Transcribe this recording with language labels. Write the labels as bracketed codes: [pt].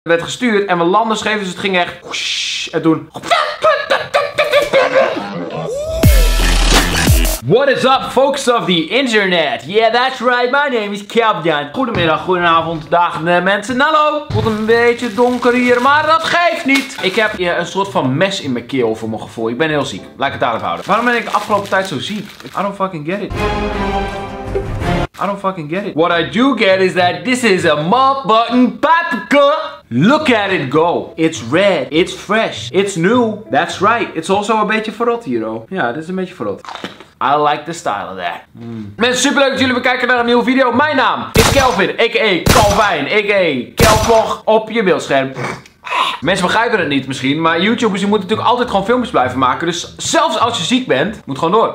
[nl] werd gestuurd en we landen scheef, dus het ging echt... En toen... [en] What is up, folks of the internet? Yeah, that's right, my name is Kjabjan. [nl] Goedemiddag, goedenavond, dag mensen. Hallo! Wordt een beetje donker hier, maar dat geeft niet. Ik heb een soort van mes in mijn keel voor mijn gevoel. Ik ben heel ziek. Laat ik het daarop houden. Waarom ben ik de afgelopen tijd zo ziek? [en] I don't fucking get it. I don't fucking get it. What I do get is that this is a mop button paprika. Look at it go. It's red. It's fresh. It's new. That's right. It's also a [nl] beetje verrot hier, [en] though. [nl] Ja, dit is een beetje verrot. [en] I like the style of that. [nl] Mensen, superleuk dat jullie weer kijken naar een nieuwe video. Mijn naam is Kelvin, a.k.a. Calvin, a.k.a. Kelvog op je beeldscherm. Mensen begrijpen het niet misschien, maar YouTubers moeten natuurlijk altijd gewoon filmpjes blijven maken. Dus zelfs als je ziek bent, moet gewoon door.